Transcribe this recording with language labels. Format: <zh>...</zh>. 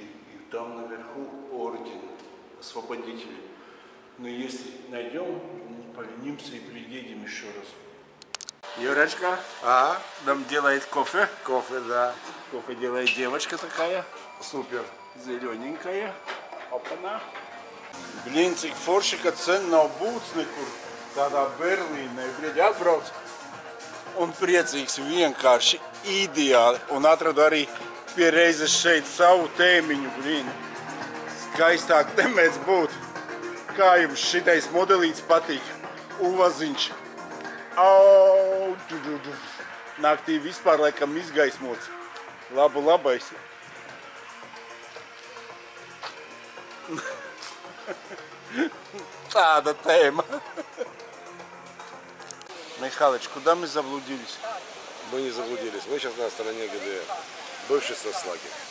<ru>И там наверху орден освободителей. Но если найдем, мы поленимся и приедем еще раз. Юрочка, а? Нам делает кофе. Кофе, да. Кофе делает девочка такая. Супер. Зелененькая. Опана.</ru> <lv>Блин, cik forši, ka cen nav būts nekur tādā Berlīnē, bļiet, atbrauc. Un priecīgs vienkārši, ideāli. Un atradu arī pie reizes šeit savu tēmiņu, bļin. Skaistāk nemēdz būt. Kā jums šitais modelīts patīk? Uvaziņš. Naktī vispār laikam izgaismots. Labu labais. Tāda tēma. Mihalič, kuda mēs zablūdījies?</lv> <ru>Мы не заблудились. Мы сейчас на стороне ГДР. Бывший соцлагерь.</ru>